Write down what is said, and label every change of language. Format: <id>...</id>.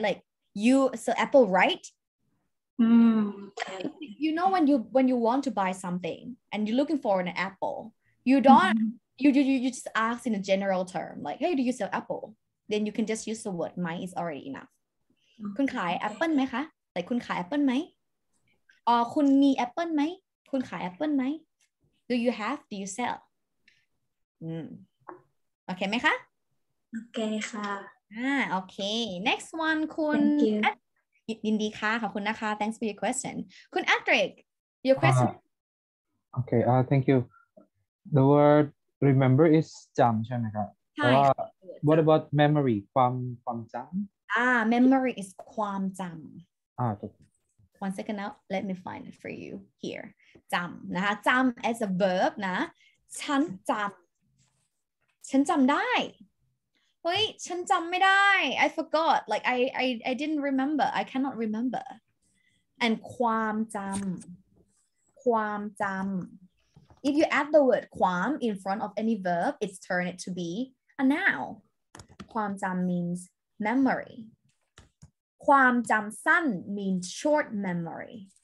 <en>Like you, so apple, right? You know, when you want to buy something and you're looking for an apple, you don't, you just ask in a general term, like, hey, do you sell apple? Then you can just use the word mine is already enough.</en> <th>คุณขายแอปเปิ้ลไหมคะ แต่คุณขายแอปเปิ้ลไหม คุณมีแอปเปิ้ลไหม คุณขายแอปเปิ้ลไหม</th> <en>Do you have? Do you sell?</en> <th>โอเคไหมคะ โอเคค่ะ โอเค</th> <en>Next one</en> <th>คุณ</th> <en>Thank you.</en> <th>ยินดีค่ะ ขอบคุณนะคะ</th> <en>Thanks for your question. คุณ Adric, your question. Okay, thank you. The word remember is</en> <th>จำใช่ไหมคะ</th> <en>What about memory?</en> <th>ความจำ?</th> <en>Memory is ความจำ. Okay. One second now, let me find it for you here. จำ, นะคะ? จำ as a verb, นะ?</en> <th>ฉันจำ. ฉันจำได้. เฮ้ย, ฉันจำไม่ได้.</th> <en>I forgot. Like, I didn't remember. I cannot remember. And ความจำ. ความจำ. If you add the word ความ in front of any verb, it's turned it to be. A noun, ความจำ means memory. ความจำสั้น means short memory.</en>